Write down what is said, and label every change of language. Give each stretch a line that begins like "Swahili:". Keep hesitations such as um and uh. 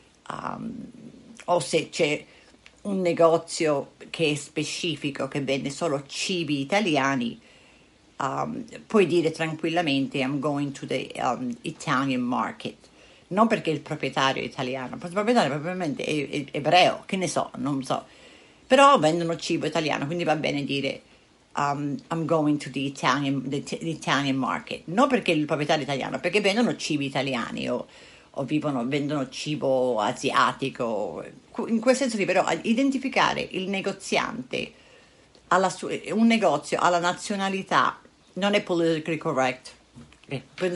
Italian: Um, o se c'è un negozio che è specifico, che vende solo cibi italiani, um, puoi dire tranquillamente
English: I'm going to the um, Italian market.
Italian: Non perché il proprietario è italiano, il proprietario è probabilmente è e- e- ebreo, che ne so, non so. Però vendono cibo italiano, quindi va bene dire...
English: Um, I'm going to the Italian, the, t- the Italian, market.
Italian: Non perché il proprietario è italiano, perché vendono cibi italiani o, o vivono, vendono cibo asiatico. In quel senso, qui, però, identificare il negoziante, sua, un negozio alla nazionalità, non è
English: politically correct.
Italian: Okay.